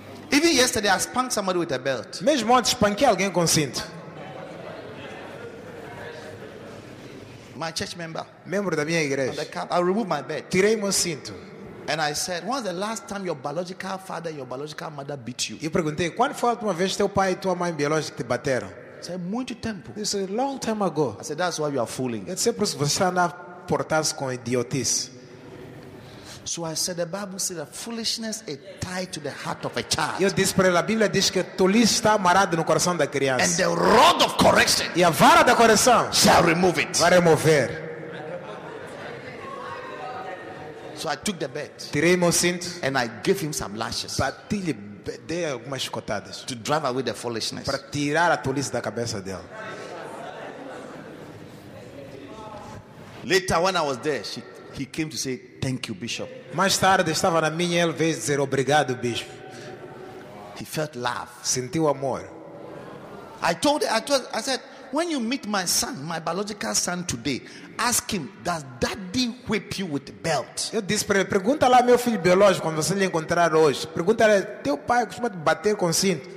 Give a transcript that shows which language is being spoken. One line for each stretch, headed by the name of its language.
English: Even yesterday I spanked somebody with a belt.
Portuguese: Mesmo ontem spanquei alguém com cinto.
English: My church member.
Portuguese: Membro da minha igreja.
English: On the cap, I removed my belt.
Portuguese: Tirei meu cinto.
English: And I said, when was the last time your biological father, your biological mother beat you?
Portuguese: Eu perguntei, quando foi a última vez teu pai e tua mãe biológica te bateram?
English: I said,
Portuguese: muito tempo.
English: It's a long time ago. I said, that's why you are fooling.
Portuguese: Eu disse, por isso você anda a portar-se com idiotice.
English: So I said, the Bible says that foolishness is tied to the heart of a child.
Portuguese: Eu disse para ele, a Bíblia diz que tolice está amarrado no coração da criança.
English: And the rod of correction.
Portuguese: E a vara da correção.
English: Shall remove it.
Portuguese: Vai remover.
English: So I took the bet.
Portuguese: Tirei meu cinto.
English: And I gave him some lashes.
Portuguese: Bati-lhe, dei algumas chicotadas.
English: To drive away the foolishness.
Portuguese: Para tirar a tolice da cabeça dela.
English: Later when I was there, he came to say thank you, bishop.
Portuguese: Mais tarde estava na minha, ele veio dizer obrigado, bispo.
English: He felt love.
Portuguese: Sentiu amor.
English: I said, when you meet my son, my biological son today, ask him, does daddy whip you with a belt?
Portuguese: Eu disse para ele, pergunta lá meu filho biológico quando você lhe encontrar hoje. Pergunta lá, teu pai costuma te bater com cinto?